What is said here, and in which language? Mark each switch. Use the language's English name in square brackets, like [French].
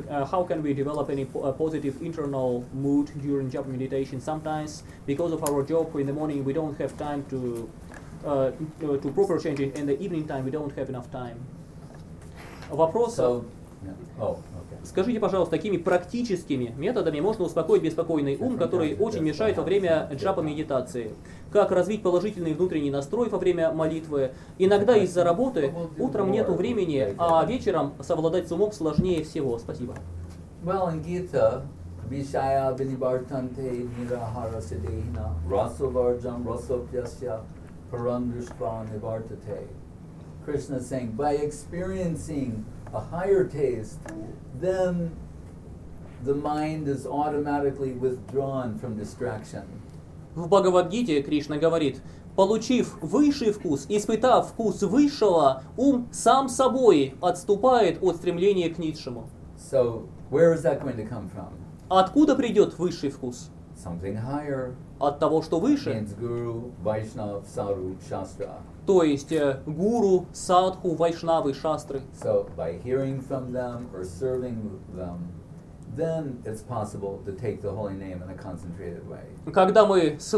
[English] How can we develop any positive internal mood during japa meditation? Sometimes, because of our job in the morning, we don't have time to proper change it. In the evening time, we don't have enough time. [Russian] Вопрос. [English] So, yeah. Oh. [Russian] Скажите, пожалуйста, такими практическими методами можно успокоить беспокойный ум, который очень мешает во время джапа-медитации? Как развить положительный внутренний настрой во время молитвы? Иногда из-за работы утром нету времени, а вечером совладать с умом сложнее всего. Спасибо. [English] Well, in Gita, [Sanskrit] Vishaya Vinibartante Nirahara Siddhina Rasavarjam Rasopyasya Parandrishpa Nibartate. [English] Krishna is saying, by experiencing a higher taste, then the mind is automatically withdrawn from distraction. [Russian] В Бхагавад-гите Кришна говорит, получив высший вкус, испытав вкус высшего, ум сам собой отступает от стремления к низшему. [English] So, where is that going to come from? [Russian] Откуда придет высший вкус? [English] Something higher. [Russian] От того, что выше. [English] Means guru, Vaishnav, Saru, Shastra. [Russian] То есть гуру, садху, вайшнавы, шастры. [English] So by hearing from them or serving them, then it's possible to take the holy name in a concentrated way.